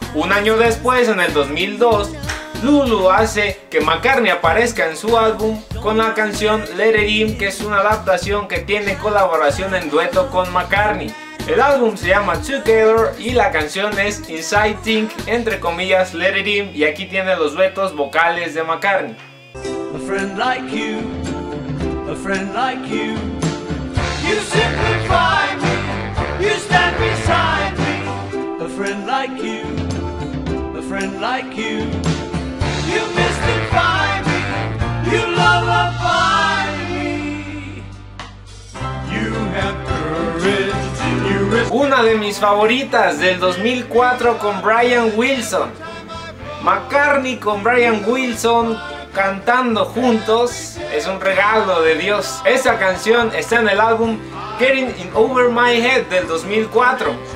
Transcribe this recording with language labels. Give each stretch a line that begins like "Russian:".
Spanish: Un año después, en el 2002, Lulu hace que McCartney aparezca en su álbum con la canción Let It In, que es una adaptación que tiene colaboración en dueto con McCartney. El álbum se llama Together y la canción es Inside Think, entre comillas, Let It In, y aquí tiene los duetos vocales de McCartney.
English: A friend like you, a friend like you, you simplify me, you stand beside me. A friend like you, a friend like you, you mystify me, you lullaby me. You have courage.
Spanish: Una de mis favoritas del 2004 con Brian Wilson. McCartney con Brian Wilson cantando juntos es un regalo de Dios. Esa canción está en el álbum Getting in Over My Head del 2004.